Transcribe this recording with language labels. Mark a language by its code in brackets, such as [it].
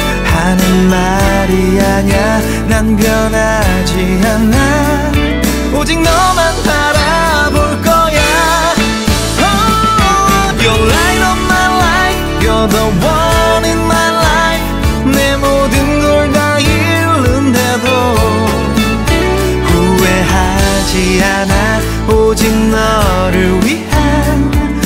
[ko] 하는 말이 아냐, 난 변하지 않아, 오직 너만 바라볼 거야. [en] Oh, your light of my life, you're the one in my life. [ko] 내 모든 걸 다 잃는데도 후회하지 않아, 오직 너를 위한